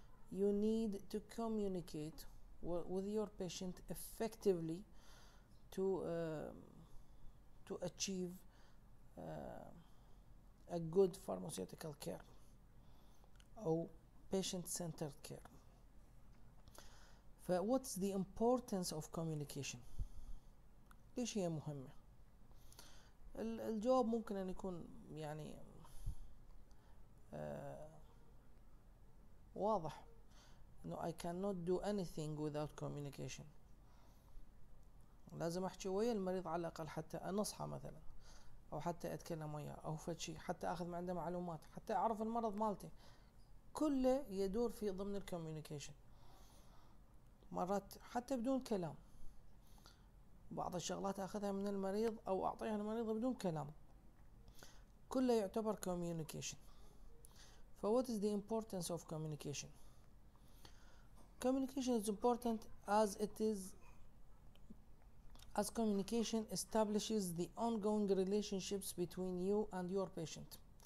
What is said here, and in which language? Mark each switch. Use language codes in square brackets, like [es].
[en] You need to communicate with your patient effectively to achieve a good pharmaceutical care or patient-centered care. What's the importance of communication? [ar] ليش هي مهمة؟ الجواب ممكن أن يكون يعني واضح. [en] No, I cannot do anything without communication. [ar] لازم أحكي ويا المريض على الأقل حتى أنصحه مثلا أو حتى أتكلم وياه أو فد شيء حتى أخذ من عنده معلومات حتى أعرف المرض مالتي. كله يدور في ضمن الكوميونيكيشن. مرات حتى بدون كلام بعض الشغلات أخذها من المريض أو أعطيها للمريض بدون كلام. كله يعتبر كوميونيكيشن. [en] فwhat is the importance of communication? Communication is important as it is, as communication establishes the ongoing relationships between you and your patient.